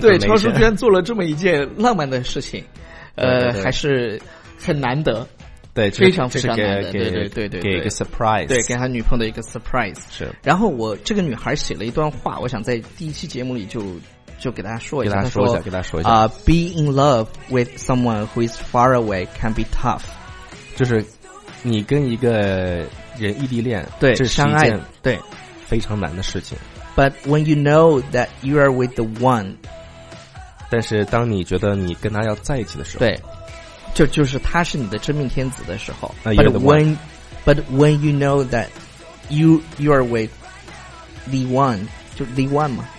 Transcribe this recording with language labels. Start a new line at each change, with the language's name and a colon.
Chinese: 对，超叔居然做了这么一件浪漫的事情，对，还是很难得。对，非常非常难得，对对对对，给一个 surprise，对，给他女朋友的一个 surprise。是，然后我这个女孩写了一段话，我想在第一期节目里就给大家说一下，给大家说一下。
English: Be in love with someone who is far away can be tough。
Chinese: 就是你跟一个人异地恋，对，相爱，对，非常难的事情。
English: But when you know that you are with the one，
Chinese: 但是当你觉得你跟他要在一起的时候，对。就是他是你的真命天子的时候，那
English: you're the one。 But when you know that you are with the one， 就 the one 嘛，